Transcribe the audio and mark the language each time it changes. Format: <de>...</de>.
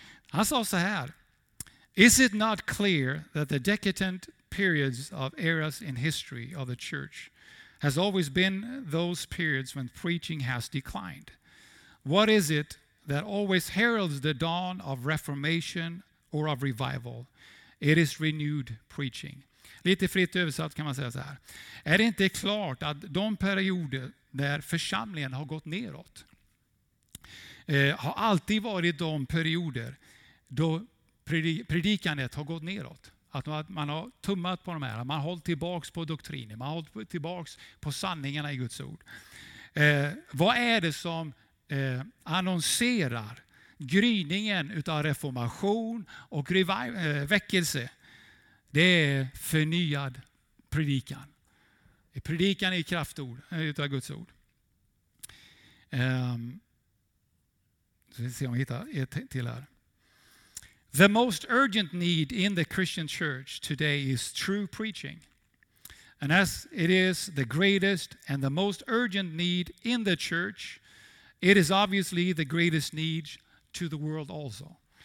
<sv>Han sa så här:</sv> <en>Is it not clear that the decadent periods of eras in history of the church has always been those periods when preaching has declined? What is it that always heralds the dawn of reformation or of revival? It is renewed preaching.</en> <sv>Lite fritt översatt kan man säga så här. Är det inte klart att de perioder där församlingen har gått neråt har alltid varit de perioder då predikandet har gått neråt? Att man har tummat på de här. Man har hållit tillbaks på doktrinen. Man har hållit tillbaks på sanningarna i Guds ord. Vad är det som annonserar gryningen utav reformation och väckelse? Det är förnyad predikan. Predikan är kraftord, utav Guds ord. Så vi ser om vi hittar ett till här.</sv> <en>The most urgent need in the Christian church today is true preaching. And as it is the greatest and the most urgent need in the church, it is obviously the greatest need to the world also.</en>